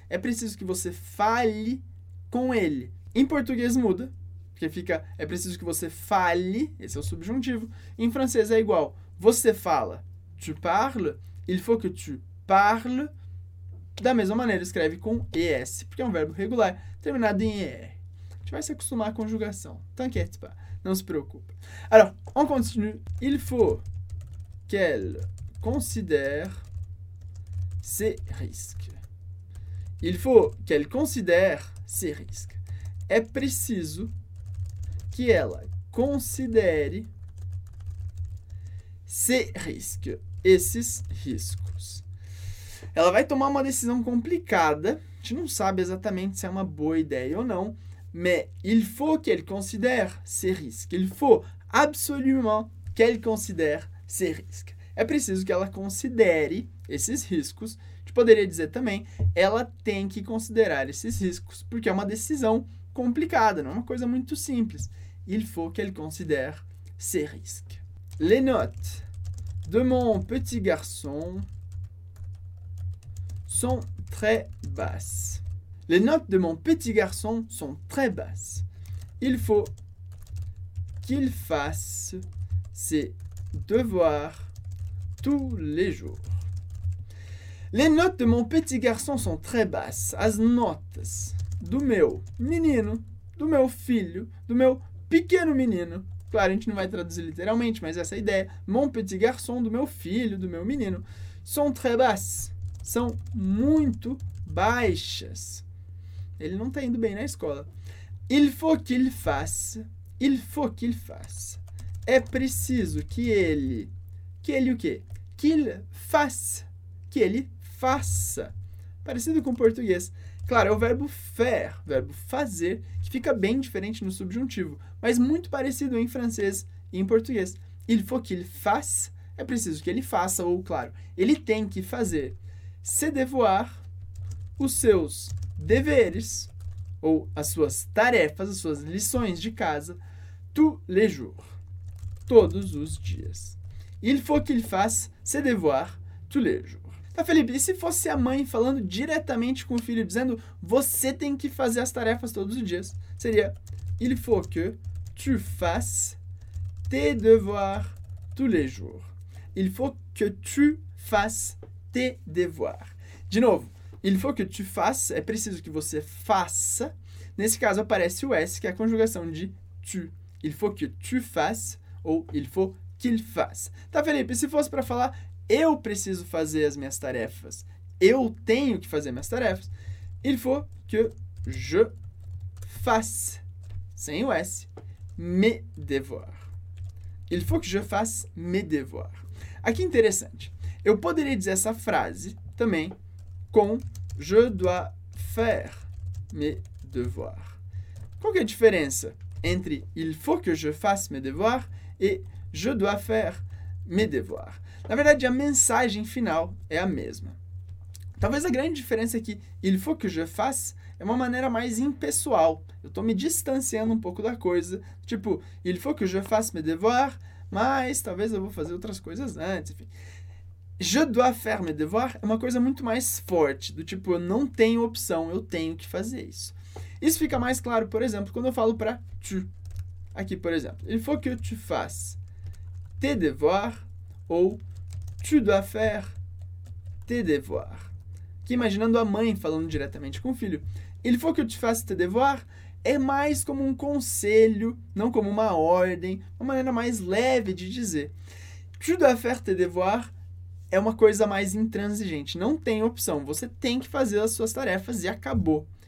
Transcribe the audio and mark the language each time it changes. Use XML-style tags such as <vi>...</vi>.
<pt>É preciso que você fale com ele. Em português muda, porque fica é preciso que você fale, esse é o subjuntivo. Em francês é igual. Você fala,</pt> <fr>tu parles, il faut que tu parles.</fr> <pt>Da mesma maneira, escreve com es, porque é um verbo regular terminado em er. Vai se acostumar à conjugação.</pt> <fr>T'inquiète pas.</fr> <pt>Não se preocupe.</pt> <fr>Alors, on continue. Il faut qu'elle considère ses risques. Il faut qu'elle considère ses risques.</fr> <pt>É preciso que ela considere</pt> <fr>ses risques.</fr> <pt>Esses riscos. Ela vai tomar uma decisão complicada. A gente não sabe exatamente se é uma boa ideia ou não.</pt> <fr>Mais il faut qu'elle considère ses risques. Il faut absolument qu'elle considère ses risques.</fr> <pt>É preciso que ela considere esses riscos. A gente gente poderia dizer também, ela tem que considerar esses riscos, porque é uma decisão complicada, não é uma coisa muito simples.</pt> <fr>Il faut qu'elle considère ces risques. Les notes de mon petit garçon sont très basses. Les notes de mon petit garçon sont très basses. Il faut qu'il fasse ses devoirs tous les jours. Les notes de mon petit garçon sont très basses.</fr> <pt>As notas do meu menino, do meu filho, do meu pequeno menino. Claro, a gente não vai traduzir literalmente, mas essa é a ideia.</pt> <fr>Mon petit garçon,</fr> <pt>do meu filho, do meu menino.</pt> <fr>Sont très basses.</fr> <pt>São muito baixas. Ele não está indo bem na escola.</pt> <fr>Il faut qu'il fasse. Il faut qu'il fasse.</fr> <pt>É preciso que ele... Que ele o quê?</pt> <fr>Qu'il fasse.</fr> <pt>Que ele faça. Parecido com o português. Claro, é o verbo faire, verbo fazer, que fica bem diferente no subjuntivo, mas muito parecido em francês e em português.</pt> <fr>Il faut qu'il fasse,</fr> <pt>é preciso que ele faça, ou, claro, ele tem que fazer</pt> <fr>ses devoirs,</fr> <pt>os seus deveres, ou as suas tarefas, as suas lições de casa,</pt> <fr>tous les jours,</fr> <pt>todos os dias.</pt> <fr>Il faut qu'il fasse ses devoirs tous les jours.</fr> <pt>Tá, Felipe, e se fosse a mãe falando diretamente com o filho, dizendo você tem que fazer as tarefas todos os dias?</pt> <fr>Seria, il faut que tu fasses tes devoirs tous les jours. Il faut que tu fasses tes devoirs.</fr> <pt>De novo,</pt> <fr>il faut que tu fasses,</fr> <pt>é preciso que você faça. Nesse caso aparece o S, que é a conjugação de tu.</pt> <fr>Il faut que tu fasses, ou il faut qu'il fasse.</fr> <pt>Tá, Felipe, e se fosse pra falar... Eu preciso fazer as minhas tarefas. Eu tenho que fazer minhas tarefas.</pt> <fr>Il faut que je fasse,</fr> <pt>sem o S,</pt> <fr>mes devoirs. Il faut que je fasse mes devoirs.</fr> <pt>Aqui interessante. Eu poderia dizer essa frase também com</pt> <fr>je dois faire mes devoirs.</fr> <pt>Qual que é a diferença entre</pt> <fr>il faut que je fasse mes devoirs e je dois faire mes devoirs?</fr> <pt>Na verdade, a mensagem final é a mesma. Talvez a grande diferença é que</pt> <fr>il faut que je fasse</fr> <pt>é uma maneira mais impessoal. Eu estou me distanciando um pouco da coisa. Tipo,</pt> <fr>il faut que je fasse mes devoirs,</fr> <pt>mas talvez eu vou fazer outras coisas antes. Enfim.</pt> <fr>Je dois faire mes devoirs</fr> <pt>é uma coisa muito mais forte. Do tipo, eu não tenho opção, eu tenho que fazer isso. Isso fica mais claro, por exemplo, quando eu falo para tu. Aqui, por exemplo.</pt> <fr>Il faut que tu fasses tes devoirs. Ou, tu dois faire tes devoirs.</fr> <pt>Que imaginando a mãe falando diretamente com o filho.</pt> <fr>Il faut que tu fasses tes devoirs</fr> <pt>é mais como um conselho, não como uma ordem, uma maneira mais leve de dizer.</pt> <fr>Tu dois faire tes devoirs</fr> <pt>é uma coisa mais intransigente. Não tem opção, você tem que fazer as suas tarefas e acabou.</pt>